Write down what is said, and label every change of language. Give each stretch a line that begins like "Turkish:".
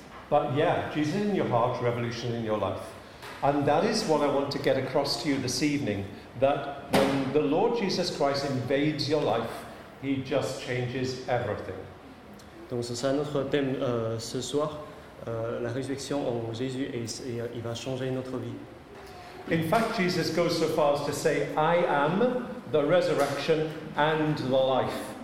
English: But yeah, Jesus in your heart, revolution in your life. And that is what I want to get across to you this evening, that when the Lord Jesus Christ invades your life, he just changes everything.
French: Donc ce sera notre thème ce soir, la résurrection en Jésus, et il va changer notre vie.
English: In fact, Jesus goes so far as to say, I am the resurrection and the life.